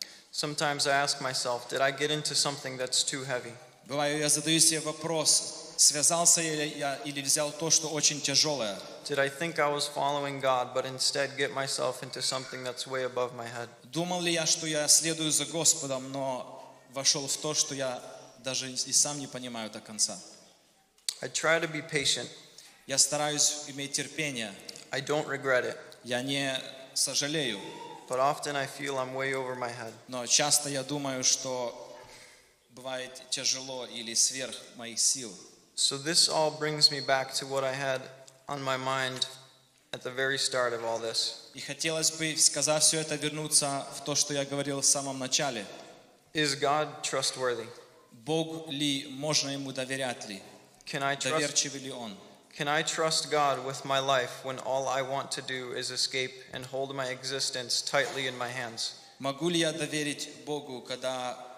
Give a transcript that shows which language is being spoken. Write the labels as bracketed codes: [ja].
[en] Sometimes I ask myself, did I get into something that's too heavy? [ru] Бываю я задаю себе вопрос. Связался ли я или взял то, что очень тяжелое? [en] Did I think I was following God, but instead get myself into something that's way above my head? [ru] Думал ли я, что я следую за Господом, но вошел в то, что я даже и сам не понимаю до конца? [en] I try to be patient. [ru] Я стараюсь иметь терпение. [en] I don't regret it. [ru] Я не сожалею. [en] But often I feel I'm way over my head. [ru] Но часто я думаю, что бывает тяжело или сверх моих сил. [en] So this all brings me back to what I had on my mind at the very start of all this. [ru] И хотелось бы, сказав все это, вернуться в то, что я говорил в самом начале. [en] Is God trustworthy? [ru] Бог ли, можно ему доверять ли? [en] Can I trust, [ru] доверчивый ли он? [en] Can I trust God with my life when all I want to do is escape and hold my existence tightly in my hands? [ru] Могу ли я доверить Богу, когда...